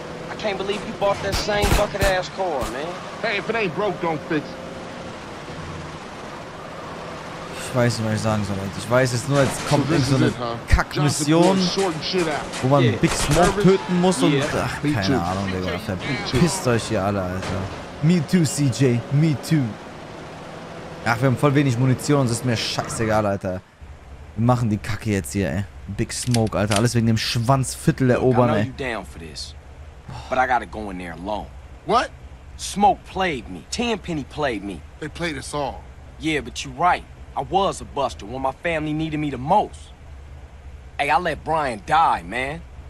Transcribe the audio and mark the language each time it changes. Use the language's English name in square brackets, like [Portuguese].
[English] I can't believe you bought that same bucket-ass car, man. Hey, if it ain't broke, don't fix it. [German] Ich weiß nicht, was ich sagen soll, Leute. Ich weiß jetzt nur, jetzt kommt so eine Kack-Mission, wo man Big Smoke töten muss und... Ach, keine Ahnung, Digga. Verpisst euch hier alle, Alter. [English] Me too, CJ. Me too. [German] Ach, wir haben voll wenig Munition und es ist mir scheißegal, Alter. Wir machen die Kacke jetzt hier, ey. Big Smoke, Alter. Alles wegen dem Schwanzviertel erobern, ey. [English] I know you down for this, but I gotta go in there alone. What? Smoke played me. Tenpenny played me. They played us all. Yeah, but you're right. I was a buster when my family needed me the most. Hey, I let Brian die, man.